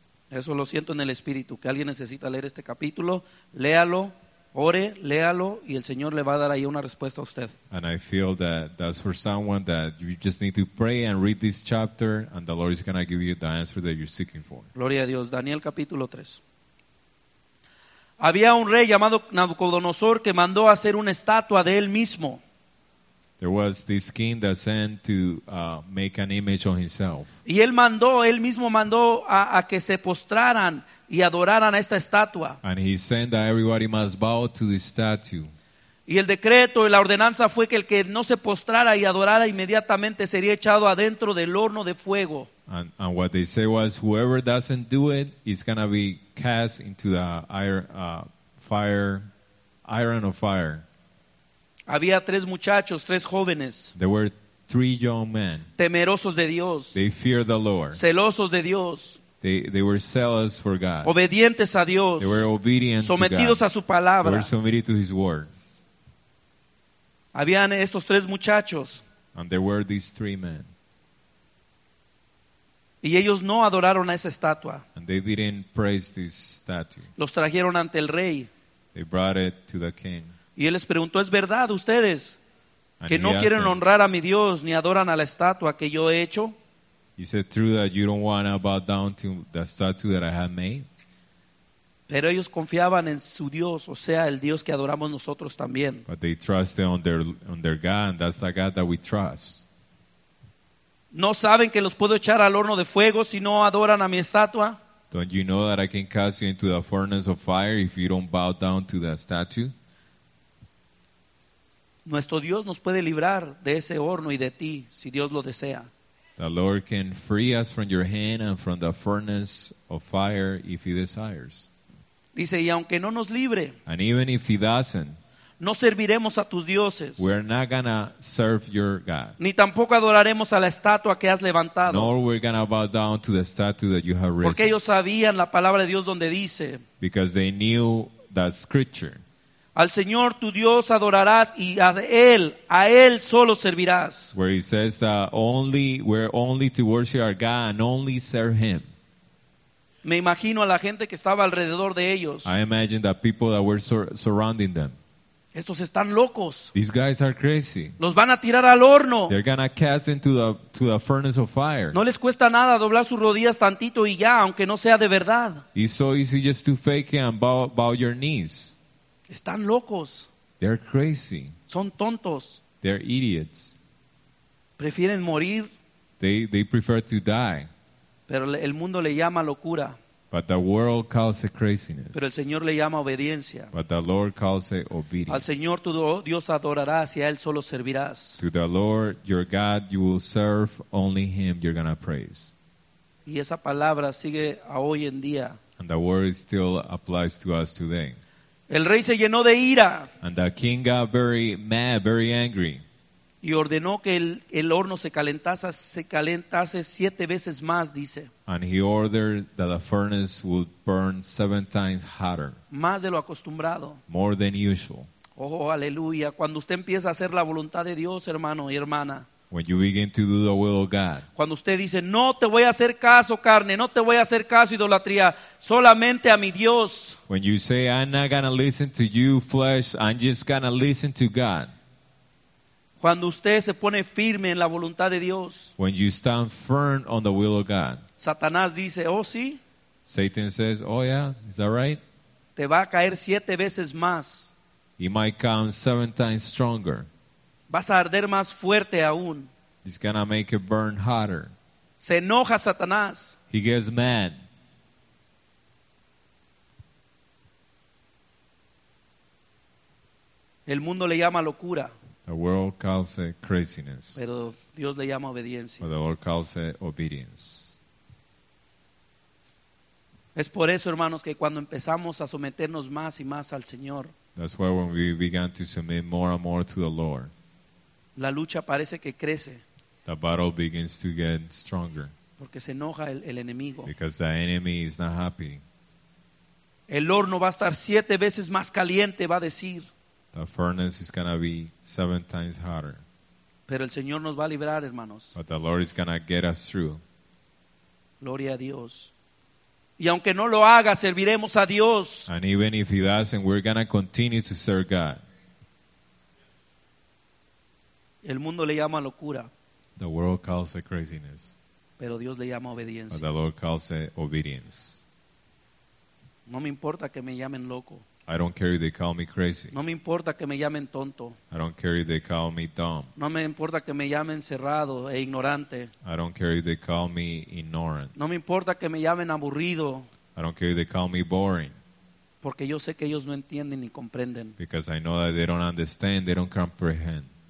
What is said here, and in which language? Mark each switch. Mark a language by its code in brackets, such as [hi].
[es] Eso lo siento en el espíritu, que alguien necesita leer este capítulo, léalo. Ore, léalo y el Señor le va a dar ahí una respuesta a usted. [en] And I feel that that's for someone that you just need to pray and read this chapter and the Lord is going to give you the answer that you're seeking for. [es] Gloria a Dios. Daniel capítulo 3. Había un rey llamado Nabucodonosor que mandó hacer una estatua de él mismo. [en] There was this king that sent to make an image of himself. [es] Y él mismo mandó a que se postraran y adoraran a esta estatua. [en] And he said that everybody must bow to the statue. [es] Y el decreto y la ordenanza fue que el que no se postrara y adorara inmediatamente sería echado adentro del horno de fuego. [en] And what they say was whoever doesn't do it is going to be cast into the iron of fire. [es] Había tres muchachos, tres jóvenes. [en] There were three young men. [es] Temerosos de Dios. [en] They feared the Lord. [es] Celosos de Dios. [en] They were zealous for God. [es] Obedientes a Dios. [en] They were obedient to God. [es] Sometidos a su palabra. [en] They were submitted to his word. [es] Habían estos tres muchachos. [en] And there were these three men. [es] Y ellos no adoraron a esa estatua. [en] And they didn't praise this statue. [es] Los trajeron ante el rey. [en] They brought it to the king. [es] Y él les preguntó, ¿es verdad ustedes que no quieren honrar a mi Dios ni adoran a la estatua que yo he hecho? [en] Is it true that you don't want to bow down to the statue that I have made? [es] Pero ellos confiaban en su Dios, o sea, el Dios que adoramos nosotros también. [en] But they trusted on their God, and that's the God that we trust. [es] No saben que los puedo echar al horno de fuego si no adoran a mi estatua. [en] Don't you know that I can cast you into the furnace of fire if you don't bow down to the statue? [es] Nuestro Dios nos puede librar de ese horno y de ti, si Dios lo desea. [en] The Lord can free us from your hand and from the furnace of fire if he desires. [es] Dice, y aunque no nos libre, [en] and even if he doesn't, [es] no serviremos a tus dioses. [en] We're not gonna serve your God. [es] Ni tampoco adoraremos a la estatua que has levantado. [en] Nor we're gonna bow down to the statue that you have risen. [es] Porque ellos sabían la palabra de Dios donde dice. [en] Because they knew that scripture. [es] Al Señor tu Dios adorarás y a él solo servirás. [en] Where he says that we're only to worship our God and only serve him. [es] Me imagino a la gente que estaba alrededor de ellos. [en] I imagine the people that were surrounding them. [es] Estos están locos. [en] These guys are crazy. [es] Los van a tirar al horno. [en] They're gonna cast into the furnace of fire. [es] No les cuesta nada doblar sus rodillas tantito y ya, aunque no sea de verdad. [en] It's so easy just to fake it and bow your knees. [es] Están locos. [en] They're crazy. [es] Son tontos. [en] They're idiots. [es] Prefieren morir. [en] They prefer to die. [es] Pero el mundo le llama locura. [en] But the world calls it craziness. [es] Pero el Señor le llama obediencia. [en] But the Lord calls it obedience. [es] Al Señor tu Dios adorarás y a él solo servirás. [en] To the Lord your God you will serve, only him you're going to praise. [es] Y esa palabra sigue a hoy en día. [en] And the word still applies to us today. [es] El rey se llenó de ira. [en] And the king got very mad, very angry. [es] Y ordenó que el horno se calentase 7 veces más, dice. [en] And he ordered that the furnace would burn 7 times hotter. [es] Más de lo acostumbrado. [en] More than usual. [es] Oh, aleluya. Cuando usted empieza a hacer la voluntad de Dios, hermano y hermana. [en] When you begin to do the will of God. [es] Cuando usted dice, no te voy a hacer caso, carne. No te voy a hacer caso, idolatría. Solamente a mi Dios. [en] When you say, I'm not going to listen to you, flesh. I'm just going to listen to God. [es] Cuando usted se pone firme en la voluntad de Dios. [en] When you stand firm on the will of God. [es] Satanás dice, oh sí. [en] Satan says, oh yeah, is that right? [es] Te va a caer 7 veces más. [en] He might come 7 times stronger. [es] Vas a arder más fuerte aún. [en] He's gonna make it burn hotter. [es] Se enoja Satanás. [en] He gets mad. [es] El mundo le llama locura. [en] The world calls it craziness. [es] Pero Dios le llama obediencia. [en] But the Lord calls it obedience. [es] Es por eso, hermanos, que cuando empezamos a someternos más y más al Señor. [en] That's why when we began to submit more and more to the Lord. [es] La lucha parece que crece. [en] The battle begins to get stronger. [es] Porque se enoja el enemigo. [en] Because the enemy is not happy. [es] El horno va a estar 7 veces más caliente, va a decir. [en] The furnace is going to be 7 times hotter. [es] Pero el Señor nos va a librar, hermanos. [en] But the Lord is going to get us through. [es] Gloria a Dios. Y aunque no lo haga, serviremos a Dios. [en] And even if he doesn't, we're going to continue to serve God. [es] El mundo le llama locura. [en] The world calls it craziness. [es] Pero Dios le llama obediencia. [en] But the Lord calls it obedience. [es] No me importa que me llamen loco. [en] I don't care if they call me crazy. [es] No me importa que me llamen tonto. [en] I don't care if they call me dumb. [es] No me importa que me llamen cerrado e ignorante. [en] I don't care if they call me ignorant. [es] No me importa que me llamen aburrido. [en] I don't care if they call me boring. [es] Porque yo sé que ellos no entienden ni comprenden. [en] Because I know that they don't understand, they don't comprehend.